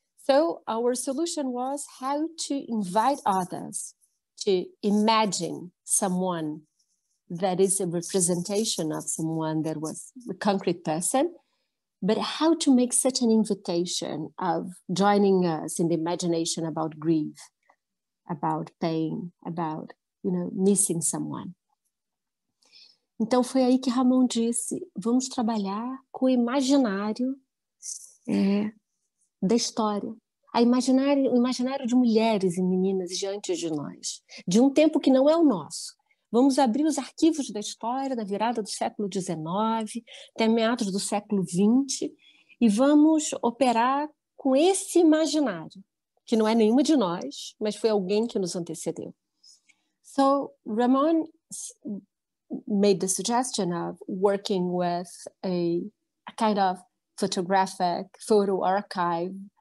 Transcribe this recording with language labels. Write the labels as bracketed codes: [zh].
[en] So, our solution was how to invite others to imagine someone that is a representation of someone that was a concrete person, but how to make such an invitation of joining us in the imagination about grief, about pain, about, you know, missing someone. [pt] Então foi aí que Ramon disse, vamos trabalhar com o imaginário da história. O imaginário de mulheres e meninas diante de nós, de um tempo que não é o nosso, Vamos abrir os arquivos da história da virada do século XIX até meados do século XX e vamos operar com esse imaginário, que não é nenhuma de nós, mas foi alguém que nos antecedeu. [en] So, Ramon made the suggestion of working with a kind of photographic photo archive,